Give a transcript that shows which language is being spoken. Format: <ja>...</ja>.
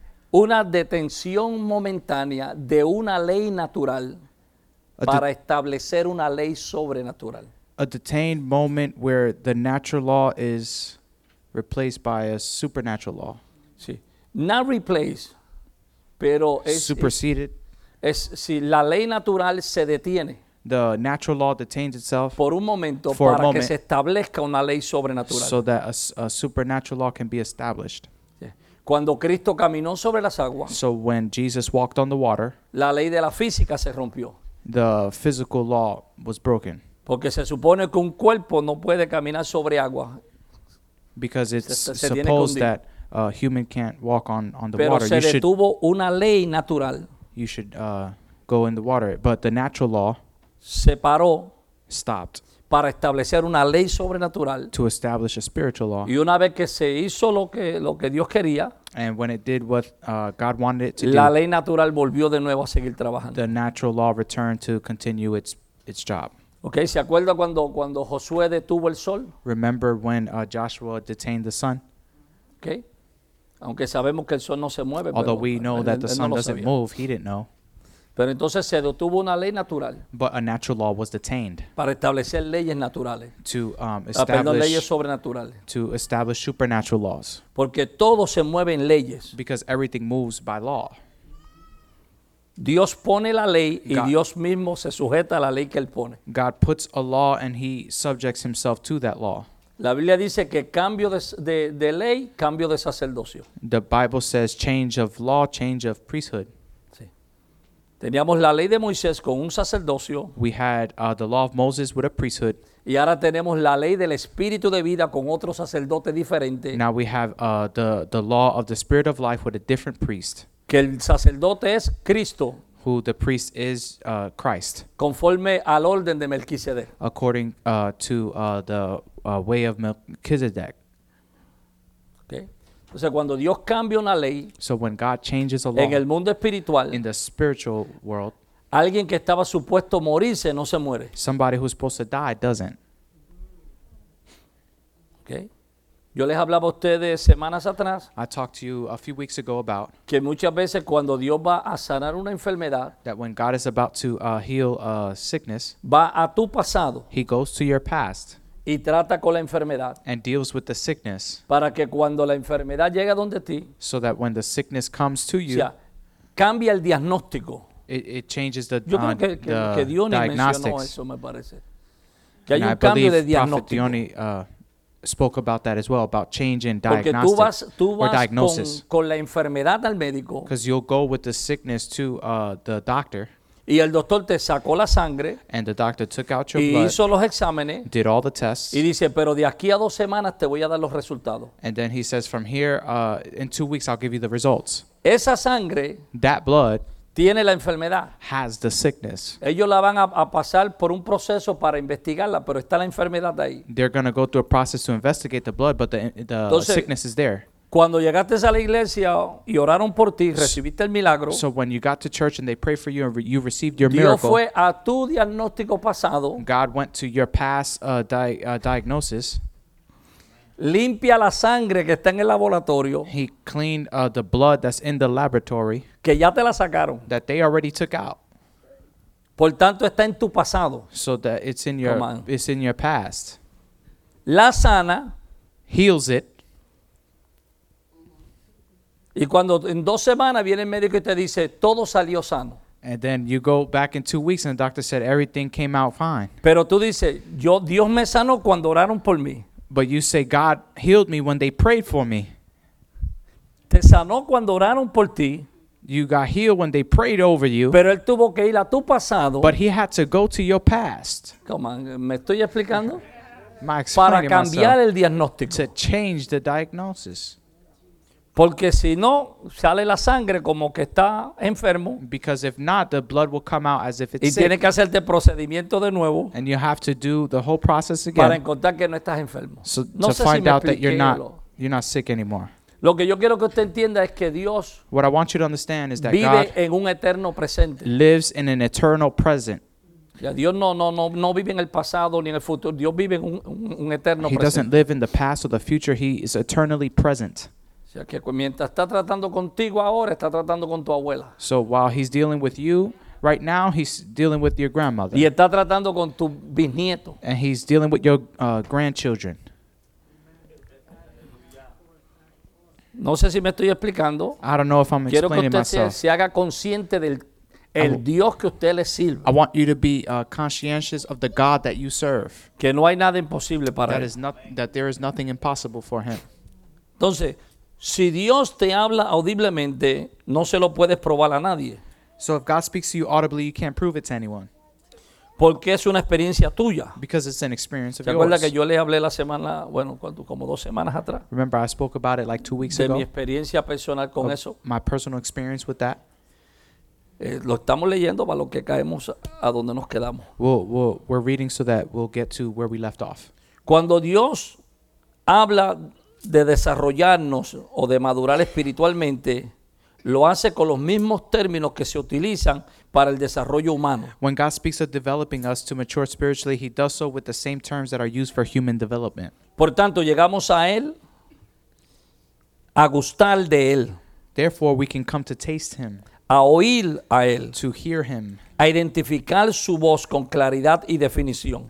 <es>Una detención momentánea de una ley natural para establecer una ley sobrenatural.</es> <en>A detained moment where the natural law is replaced by a supernatural law.</en> <es>Sí.</es> <en>Not replaced,</en> <es>pero es...</es> <en>Superseded.</en> <es>Es si la ley natural se detiene.</es> <en>The natural law detains itself</en> <es>por un momento</es> <en>for</en> <es>para</es> <en>a moment</en> <es>que se establezca una ley sobrenatural.</es> <en>So that a supernatural law can be established.</en> <es>Cuando Cristo caminó sobre las aguas,</es> <en>so when Jesus walked on the water,</en> <es>la ley de la física se rompió.</es> <en>The physical law was broken.</en> <es>Porque se supone que un cuerpo no puede caminar sobre agua.</es> <en>Because it's supposed that a human can't walk on the</en> <es>pero</es> <en>water.</en> <es>Pero se</es> <en>you</en> <es>detuvo</es> <en>should,</en> <es>una ley natural.</es> <en>You should go in the water. But the natural law</en> <es>se paró.</es> <en>Stopped.</en> <es>Para establecer una ley sobrenatural.</es> <en>To establish a spiritual law.</en> <es>Y una vez que se hizo lo que Dios quería.</es> <en>And when it did what God wanted it to</en> <es>la</es> <en>do.</en> <es>La ley natural volvió de nuevo a seguir trabajando.</es> <en>The natural law returned to continue its job.</en> <es>Okay, ¿se acuerda cuando Josué detuvo el sol?</es> <en>Remember when Joshua detained the sun? Okay.</en> <es>Aunque sabemos que el sol no se mueve.</es> <en>Although</en> <es>pero</es> <en>we know</en> <es>él,</es> <en>that the sun</en> <es>no</es> <en>doesn't</en> <es>sabía.</es> <en>Move, he didn't know.</en> <es>Pero entonces se detuvo una ley natural.</es> <en>But a natural law was detained.</en> <es>Para establecer leyes naturales.</es> <en>To establish</en> <es>leyes sobrenaturales.</es> <en>To establish supernatural laws.</en> <es>Porque todo se mueve en leyes.</es> <en>Because everything moves by law.</en> <es>Dios pone la ley y Dios mismo se sujeta a la ley que él pone.</es> <en>God puts a law and he subjects himself to that law.</en> <es>La Biblia dice que cambio de ley, cambio de sacerdocio.</es> <en>The Bible says change of law, change of priesthood.</en> <es>Teníamos la ley de Moisés con un sacerdocio.</es> <en>We had the law of Moses with a priesthood.</en> <es>Y ahora tenemos la ley del Espíritu de Vida con otro sacerdote diferente.</es> <en>Now we have the law of the Spirit of Life with a different priest.</en> <es>Que el sacerdote es Cristo.</es> <en>Who the priest is Christ.</en> <es>Conforme al orden de Melquisedec.</es> <en>According to the way of Melquisedec.</en> <es>Okay. O sea, cuando Dios cambia una ley,</es> <en>so when God changes a law,</en> <es>en el mundo espiritual,</es> <en>in the spiritual world,</en> <es>alguien que estaba supuesto morirse no se muere.</es> <en>Somebody who's supposed to die doesn't.</en> <es>Okay. Yo les hablaba a ustedes semanas atrás.</es> <en>I talked to you a few weeks ago about</en> <es>que muchas veces cuando Dios va a sanar una enfermedad,</es> <en>that when God is about to heal a sickness,</en> <es>va a tu pasado.</es> <en>He goes to your past.</en> <es>Y trata con la enfermedad.</es> <en>And deals with the sickness.</en> <es>Para que cuando la enfermedad llega donde ti.</es> <en>So that when the sickness comes to you.</en> <es>O sea, cambia el diagnóstico.</es> <en>It changes the diagnostics.</en> <es>Yo creo que Dios ni mencionó eso, me parece. Que hay un cambio de diagnóstico.</es> <en>And I believe Prophet Dione spoke about that as well. About change in diagnostics.</en> <es>Porque tú vas diagnosis. Con la enfermedad al médico.</es> <en>Because you'll go with the sickness to the doctor.</en> <es>Y el doctor te sacó la sangre.</es> <en>And the doctor took out your</en> <es>y</es> <en>blood.</en> <es>Y hizo los exámenes.</es> <en>Did all the tests.</en> <es>Y dice, pero de aquí a dos semanas te voy a dar los resultados.</es> <en>And then he says, from here, in 2 weeks I'll give you the results.</en> <es>Esa sangre.</es> <en>That blood.</en> <es>Tiene la enfermedad.</es> <en>Has the sickness.</en> <es>Ellos la van a pasar por un proceso para investigarla, pero está la enfermedad ahí.</es> <en>They're going to go through a process to investigate the blood, but the</en> <es>entonces,</es> <en>sickness is there.</en> <es>Cuando llegaste a la iglesia y oraron por ti, recibiste el milagro.</es> <en>So when you got to church and they prayed for you and you received your</en> <es>Dios</es> <en>miracle.</en> <es>Dios fue a tu diagnóstico pasado.</es> <en>God went to your past diagnosis.</en> <es>Limpia la sangre que está en el laboratorio.</es> <en>He cleaned the blood that's in the laboratory.</en> <es>Que ya te la sacaron.</es> <en>That they already took out.</en> <es>Por tanto, está en tu pasado.</es> <en>So that it's in your past.</en> <es>La sana.</es> <en>Heals it.</en> <es>Y cuando en dos semanas viene el médico y te dice, todo salió sano.</es> <en>And then you go back in 2 weeks and the doctor said everything came out fine.</en> <es>Pero tú dices, yo, Dios me sanó cuando oraron por mí.</es> <en>But you say God healed me when they prayed for me.</en> <es>Te sanó cuando oraron por ti.</es> <en>You got healed when they prayed over you.</en> <es>Pero él tuvo que ir a tu pasado.</es> <en>But he had to go to your past. Come on,</en> <es>¿me estoy explicando? Para cambiar el diagnóstico.</es> <en>To change the diagnosis.</en> <es>Porque si no, sale la sangre como que está enfermo.</es> <en>Because if not, the blood will come out as if it's</en> <es>y</es> <en>sick.</en> <es>Y tiene que hacerte procedimiento de nuevo.</es> <en>And you have to do the whole process again.</en> <es>Para encontrar que no estás enfermo.</es> <en>So</en> <es>no</es> <en>to sé find si out that you're not sick anymore.</en> <es>Lo que yo quiero que usted entienda es que Dios</es> <en>what I want you to understand is that</en> <es>vive</es> <en>God</en> <es>en un eterno presente.</es> <en>Lives in an eternal present.</en> <es>Ya, Dios no vive en el pasado ni en el futuro. Dios vive en un eterno</es> <en>he He doesn't live in the past or the future. He is eternally present.</en> <es>Ya que mientras está tratando contigo ahora, está tratando con tu abuela.</es> <en>So while he's dealing with you, right now he's dealing with your grandmother.</en> <es>Y está tratando con tu bisnieto.</es> <en>And he's dealing with your grandchildren.</en> <es>No sé si me estoy explicando.</es> <en>I don't know if I'm</en> <es>quiero</es> <en>explaining myself.</en> <es>Quiero que usted se haga consciente del el Dios que usted le sirve.</es> <en>I want you to be conscientious of the God that you serve.</en> <es>Que no hay nada imposible para</es> <en>that</en> <es>él.</es> <en>That there is nothing impossible for him.</en> <es>Entonces, si Dios te habla audiblemente, no se lo puedes probar a nadie.</es> <en>So if God speaks to you audibly, you can't prove it to anyone.</en> <es>Porque es una experiencia tuya.</es> <en>Because it's an experience of yours.</en> <es>¿Recuerda que yo le hablé la semana, bueno, como dos semanas atrás?</es> <en>Remember, I spoke about it like 2 weeks</en> <es>de</es> <en>ago.</en> <es>De mi experiencia personal con eso.</es> <en>My personal experience with that.</en> <es>Lo estamos leyendo para lo que caemos a donde nos quedamos.</es> <en>We're reading so that we'll get to where we left off.</en> <es>Cuando Dios habla de desarrollarnos o de madurar espiritualmente, lo hace con los mismos términos que se utilizan para el desarrollo humano.</es> <en>When God speaks of developing us to mature spiritually, he does so with the same terms that are used for human development.</en> <es>Por tanto, llegamos a él, a gustar de él.</es> <en>Therefore, we can come to taste him.</en> <es>A oír a él.</es> <en>To hear him.</en> <es>A identificar su voz con claridad y definición.</es>